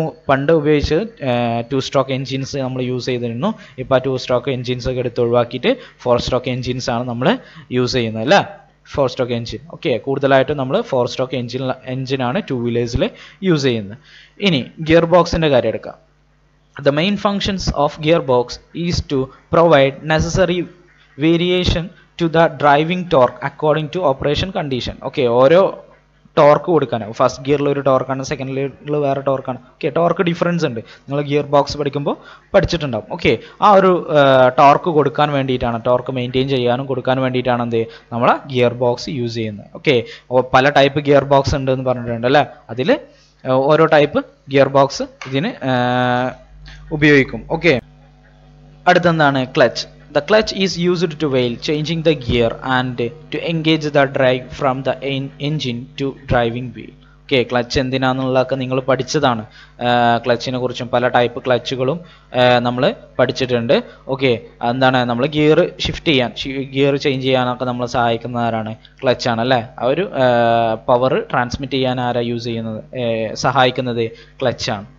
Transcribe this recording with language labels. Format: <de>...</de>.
<ml>പണ്ട് ഉപയോഗിച്ച് two stroke engines നമ്മൾ യൂസ് ചെയ്തിരുന്നു. ഇപ്പോൾ ടു സ്ട്രോക്ക് എഞ്ചിൻസ് ഒക്കെ എടുത്ത് ഒഴിവാക്കിയിട്ട് ഫോർ സ്ട്രോക്ക് എഞ്ചിൻസ് ആണ് നമ്മൾ യൂസ് ചെയ്യുന്നത് അല്ലേ. ഫോർ സ്ട്രോക്ക് എഞ്ചിൻ, ഓക്കെ, കൂടുതലായിട്ട് നമ്മൾ ഫോർ സ്ട്രോക്ക് എഞ്ചിനാണ് ടു വീലേഴ്സിൽ യൂസ് ചെയ്യുന്നത്. ഇനി ഗിയർ ബോക്സിൻ്റെ കാര്യം എടുക്കാം.</ml> <en>The main functions of gearbox is to provide necessary variation to the driving torque according to operation condition.</en> <ml>Okay, ഓരോ ടോർക്ക് കൊടുക്കാൻ, ഫസ്റ്റ് ഗിയറിൽ ഒരു ടോർക്കാണ്, സെക്കൻഡ് ഗിയറിൽ വേറെ ടോർക്കാണ്. ഓക്കെ, ടോർക്ക് ഡിഫറൻസ് ഉണ്ട്, നിങ്ങൾ ഗിയർ ബോക്സ് പഠിക്കുമ്പോൾ പഠിച്ചിട്ടുണ്ടാവും. ഓക്കെ, ആ ഒരു ടോർക്ക് കൊടുക്കാൻ വേണ്ടിയിട്ടാണ്, ടോർക്ക് മെയിൻറ്റെയിൻ ചെയ്യാനും കൊടുക്കാൻ വേണ്ടിയിട്ടാണ് എന്ത് നമ്മൾ ഗിയർ ബോക്സ് യൂസ് ചെയ്യുന്നത്. ഓക്കെ, പല ടൈപ്പ് ഗിയർ ബോക്സ് ഉണ്ട് എന്ന് പറഞ്ഞിട്ടുണ്ട് അല്ലേ. അതിൽ ഓരോ ടൈപ്പ് ഗിയർ ബോക്സ് ഇതിന് ഉപയോഗിക്കും. Okay, അടുത്തെന്താണ് clutch.</ml> <en>The clutch is used to wheel changing the gear and to engage the drag from the engine to driving wheel.</en> <ml>Okay, clutch എന്തിനാണെന്നുള്ളതൊക്കെ നിങ്ങൾ പഠിച്ചതാണ്. ക്ലച്ചിനെ കുറിച്ചും പല ടൈപ്പ് ക്ലച്ചുകളും നമ്മൾ പഠിച്ചിട്ടുണ്ട്. ഓക്കെ, എന്താണ് നമ്മൾ ഗിയർ ഷിഫ്റ്റ് ചെയ്യാൻ, ഗിയർ ചേഞ്ച് ചെയ്യാനൊക്കെ നമ്മളെ സഹായിക്കുന്നവരാണ് ക്ലച്ചാണ് അല്ലേ. ആ ഒരു പവർ ട്രാൻസ്മിറ്റ് ചെയ്യാൻ ആരാ യൂസ് ചെയ്യുന്നത്, സഹായിക്കുന്നത് ക്ലച്ചാണ്.</ml>